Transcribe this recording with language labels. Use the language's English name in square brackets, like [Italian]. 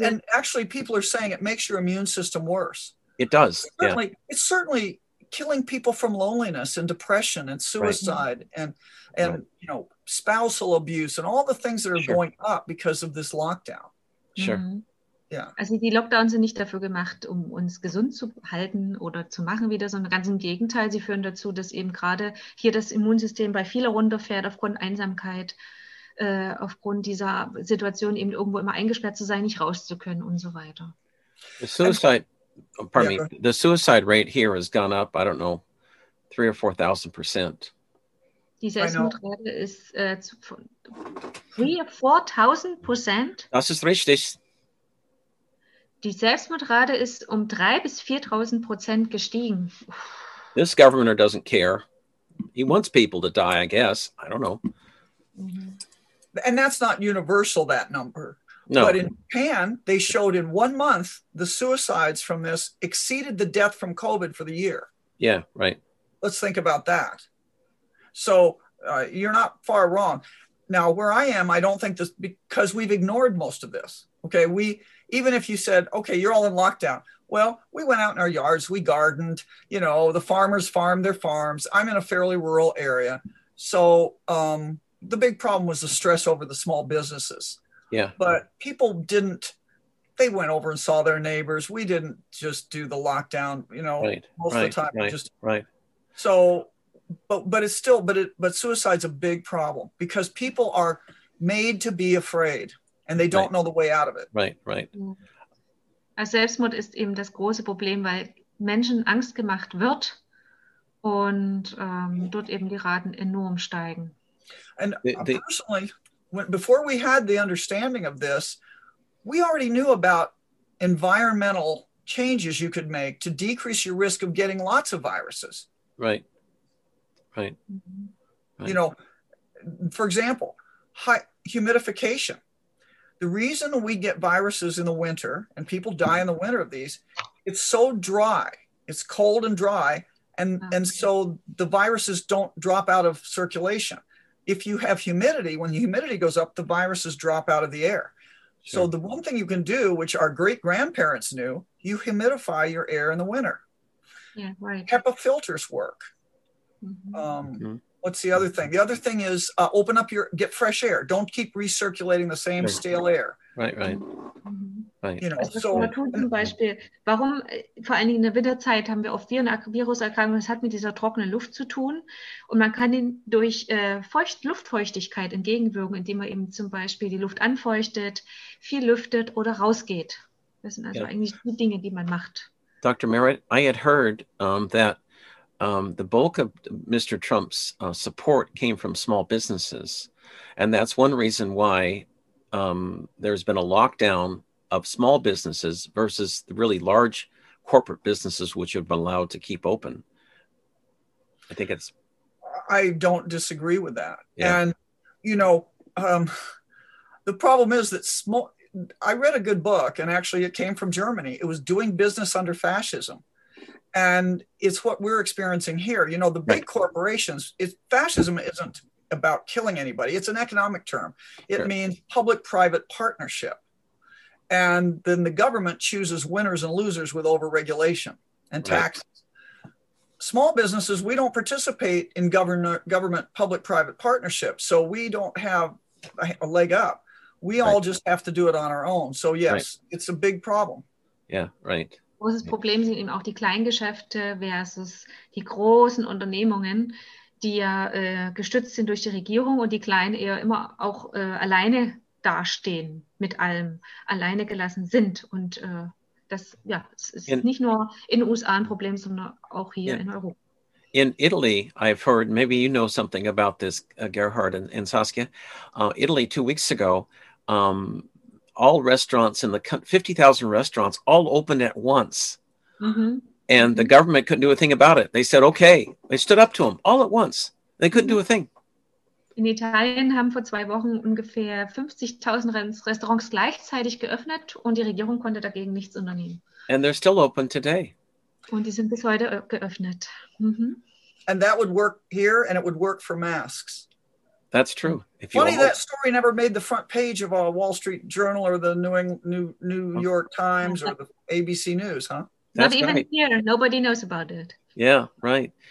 [English] And actually, people are saying it makes your immune system worse. It does. It's certainly killing people from loneliness and depression and suicide you know, spousal abuse and all the things that are going up because of this lockdown. Sure. Yeah. [German] Also die Lockdowns sind nicht dafür gemacht, um uns gesund zu halten oder zu machen wieder, sondern ganz im Gegenteil, sie führen dazu, dass eben gerade hier das Immunsystem bei vielen runterfährt aufgrund Einsamkeit, aufgrund dieser Situation eben irgendwo immer eingesperrt zu sein, nicht raus zu können und so weiter. [English] The suicide rate here has gone up, I don't know, 3,000 or 4,000%. [German] Die Selbstmordrate ist 3,000 or 4,000%? Das ist richtig. Die Selbstmordrate ist 3,000 to 4,000% gestiegen. [English] This governor doesn't care. He wants people to die, I guess. I don't know. Mm-hmm. And that's not universal, that number. No. But in Japan, they showed in 1 month, the suicides from this exceeded the death from COVID for the year. Yeah, right. Let's think about that. So you're not far wrong. Now, where I am, I don't think this, because we've ignored most of this. Okay, even if you said, okay, you're all in lockdown. Well, we went out in our yards, we gardened, you know, the farmers farmed their farms. I'm in a fairly rural area. So the big problem was the stress over the small businesses. Yeah. But people didn't, they went over and saw their neighbors. We didn't just do the lockdown, you know, most of the time. So, but suicide's a big problem because people are made to be afraid. And they don't know the way out of it. Right. [German] Selbstmord ist eben das große Problem, weil Menschen Angst gemacht wird und dort eben die Raten enorm steigen. [English] And personally, before we had the understanding of this, we already knew about environmental changes you could make to decrease your risk of getting lots of viruses. Right. You know, for example, humidification. The reason we get viruses in the winter and people die in the winter of these, it's so dry. It's cold and dry. And so the viruses don't drop out of circulation. If you have humidity, when the humidity goes up, the viruses drop out of the air. Sure. So the one thing you can do, which our great grandparents knew, you humidify your air in the winter. Yeah, right. HEPA filters work. What's the other thing? The other thing is open up your, get fresh air. Don't keep recirculating the same stale air. Right. You know, [German] zum Beispiel, warum vor allen Dingen in der Winterzeit haben wir oft Viruserkrankungen, das hat mit dieser trockenen Luft zu tun. Und man kann ihn durch Luftfeuchtigkeit entgegenwirken, indem man eben zum Beispiel die Luft anfeuchtet, viel lüftet oder rausgeht. Das sind also eigentlich die Dinge, die man macht. [English] Dr. Merritt, I had heard that the bulk of Mr. Trump's support came from small businesses. And that's one reason why there's been a lockdown of small businesses versus the really large corporate businesses, which have been allowed to keep open. I don't disagree with that. Yeah. And, you know, the problem is that I read a good book, and actually it came from Germany. It was Doing Business Under Fascism. And it's what we're experiencing here. You know, the big corporations, fascism isn't about killing anybody. It's an economic term. It means public-private partnership. And then the government chooses winners and losers with overregulation and taxes. Small businesses, we don't participate in government public-private partnership. So we don't have a leg up. We all just have to do it on our own. So yes, it's a big problem. Yeah, right. [German] Großes Problem sind eben auch die Kleingeschäfte versus die großen Unternehmungen, die ja gestützt sind durch die Regierung und die Kleinen eher immer auch alleine dastehen mit allem, alleine gelassen sind. Und das ja, es ist nicht nur in den USA ein Problem, sondern auch hier in Europa. [English] In Italy, I've heard, maybe you know something about this, Gerhard and Saskia. Italy, 2 weeks ago, all restaurants in the 50,000 restaurants all opened at once. And the government couldn't do a thing about it. They said, okay. They stood up to them all at once. They couldn't do a thing. [German] In Italien haben vor 2 Wochen ungefähr 50,000 Restaurants gleichzeitig geöffnet und die Regierung konnte dagegen nichts unternehmen. [English] And they're still open today. [German] Und die sind bis heute geöffnet. [English] And that would work here and it would work for masks. That's true. If you Funny that story never made the front page of a Wall Street Journal or the New York Times or the ABC News, huh? That's not even here. Nobody knows about it. Yeah, right.